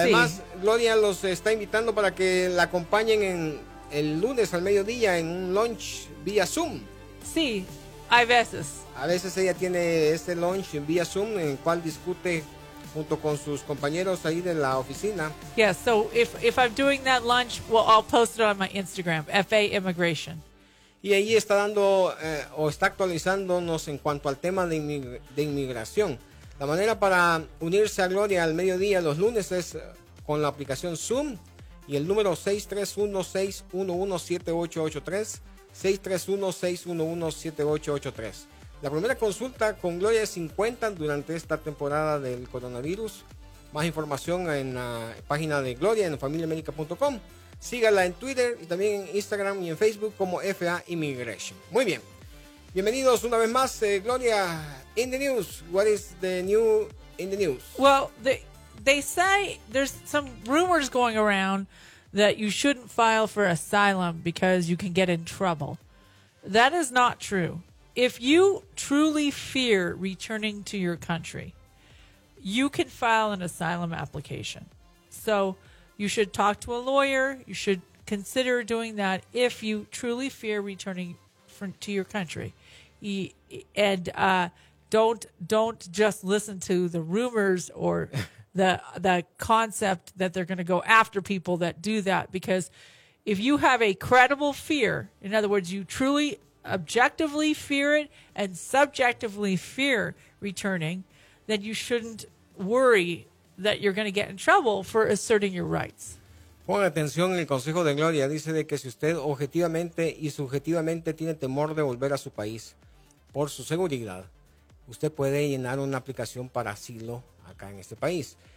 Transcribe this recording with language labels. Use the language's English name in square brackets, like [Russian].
[Spanish] Además, Gloria los está invitando para que la acompañen en el lunes al mediodía en un lunch vía Zoom. Sí, hay veces. A veces ella tiene ese lunch vía Zoom en el cual discute junto con sus compañeros ahí de la oficina. [English] Yeah, so if I'm doing that lunch, well, I'll post it on my Instagram, FA Immigration. [Spanish] Y ahí está dando o está actualizándonos en cuanto al tema de inmigración. La manera para unirse a Gloria al mediodía los lunes es con la aplicación Zoom y el número 631-611-7883, 631-611-7883. La primera consulta con Gloria es 50 durante esta temporada del coronavirus. Más información en la página de Gloria en familiamedica.com. Sígala en Twitter y también en Instagram y en Facebook como FA Immigration. Muy bien. Bienvenidos una vez más, Gloria. [English] In the news, what is the new in the news? Well, they say there's some rumors going around that you shouldn't file for asylum because you can get in trouble. That is not true. If you truly fear returning to your country, you can file an asylum application. So you should talk to a lawyer. You should consider doing that if you truly fear returning to your country. And don't just listen to the rumors or the concept that they're going to go after people that do that. Because if you have a credible fear, in other words, you truly objectively fear it and subjectively fear returning, then you shouldn't worry that you're going to get in trouble for asserting your rights. [Spanish] Ponga atención en el consejo de Gloria. Dice de que si usted objetivamente y subjetivamente tiene temor de volver a su país por su seguridad, usted puede llenar una aplicación para asilo acá en este país.